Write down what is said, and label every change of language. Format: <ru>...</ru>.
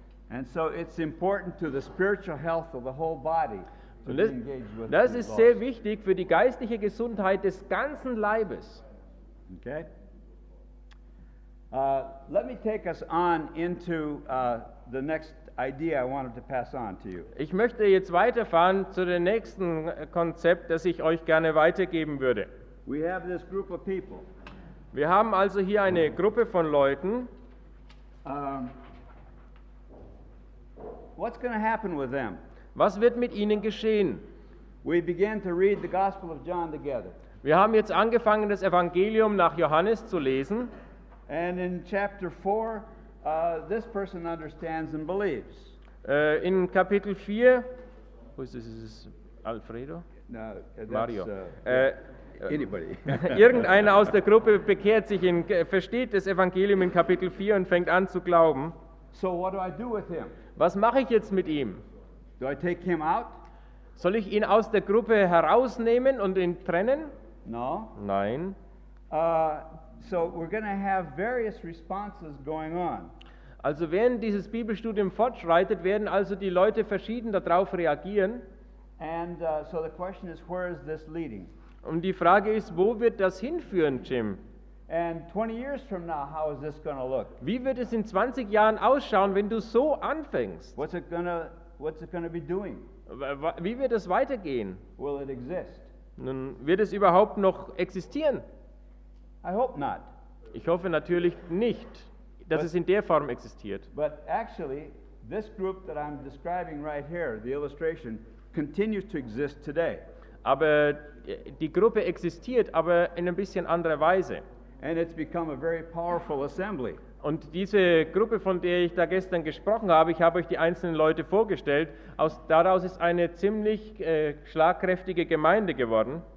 <en>And so it's important to the spiritual health of the whole body.</en> <de>Das ist sehr wichtig für die geistliche Gesundheit des ganzen Leibes.</de> <en>Okay. Let me take us on into the next idea I wanted to pass on to you.</en> <de>Ich möchte jetzt weiterfahren zu dem nächsten Konzept, das ich euch gerne weitergeben würde.</de> <en>We have this group of people.</en> <de>Wir haben also hier eine Gruppe von Leuten.</de> <en>What's going to happen with them?</en> <de>Was wird mit ihnen geschehen?</de> <en>We begin to read the Gospel of John together.</en> <de>Wir haben jetzt angefangen, das Evangelium nach Johannes zu lesen.</de> <en>And in chapter 4, this person understands and believes.</en> <de>In Kapitel 4,</de> <en>who is this? Is this Alfredo? No, that's Mario. Anybody.</en> <de>Irgendeiner aus der Gruppe bekehrt sich, versteht das Evangelium in Kapitel 4 und fängt an zu glauben.</de> <en>So what do I do with him?</en> <de>Was mache ich jetzt mit ihm?</de> <en>Do I take him out?</en> <de>Soll ich ihn aus der Gruppe herausnehmen und ihn trennen?</de> <en>No.</en> <de>Nein.</de> <en>So we're going to have various responses going on.</en> <de>Also während dieses Bibelstudium fortschreitet, werden also die Leute verschieden darauf reagieren.</de> <en>And so the question is, where is this leading?</en> <de>Und die Frage ist, wo wird das hinführen, Jim?</de> <en>And 20 years from now, how is this going to look?</en> <de>Wie wird es in 20 Jahren ausschauen, wenn du so anfängst?</de> <en>What's it going to be doing?</en> <de>Wie wird es weitergehen?</de> <en>Will it exist?</en> <de>Nun, wird es überhaupt noch existieren?</de> <en>I hope not.</en> <de>Ich hoffe natürlich nicht, dass es in der Form existiert.</de> <en>But actually, this group that I'm describing right here, the illustration, continues to exist today.</en> <de>Aber die Gruppe existiert, aber in ein bisschen anderer Weise.</de> <en>And it's become a very powerful assembly.</en> <de>Und diese Gruppe, von der ich da gestern gesprochen habe, ich habe euch die einzelnen Leute vorgestellt, daraus ist eine ziemlich schlagkräftige Gemeinde geworden.</de>